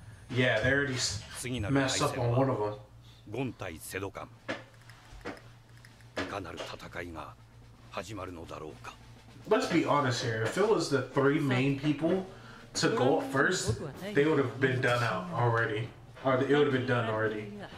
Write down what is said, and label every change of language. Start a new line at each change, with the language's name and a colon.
English: Yeah, they already messed up on one of them.
Japanese: ゴン対セドカン いかなる戦いが始まるのだろうか
English: Let's be honest here. If it was the three main people to go up first, they would have been done out already. Or it would have been done already.